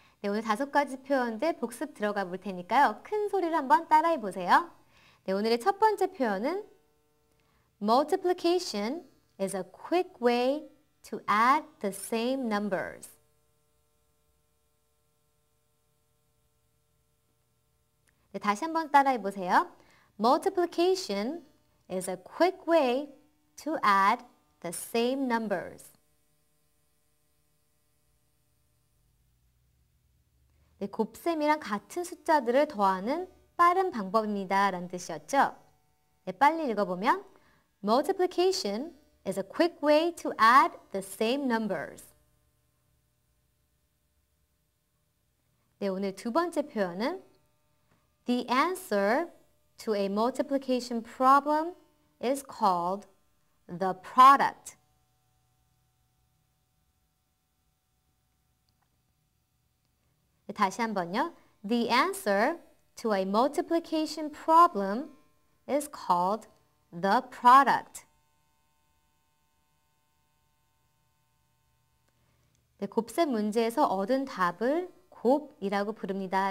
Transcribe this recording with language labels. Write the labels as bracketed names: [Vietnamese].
[Korean] 네, 오늘 다섯 가지 표현들 복습 들어가 볼 테니까요. 큰 소리를 한번 따라해 보세요. 네, 오늘의 첫 번째 표현은 [English] Multiplication is a quick way to add the same numbers. [Korean] 네, 다시 한번 따라해 보세요. [English] Multiplication is a quick way to add the same numbers. [Korean] 네, 곱셈이랑 같은 숫자들을 더하는 빠른 방법입니다. 라는 뜻이었죠? 네, 빨리 읽어보면 [English] Multiplication is a quick way to add the same numbers. [Korean] 네, 오늘 두 번째 표현은 [English] The answer to a multiplication problem is called the product. [Korean] 다시 한 번요. [English] The answer to a multiplication problem is called the product. [Korean] 네, 곱셈 문제에서 얻은 답을 곱이라고 부릅니다.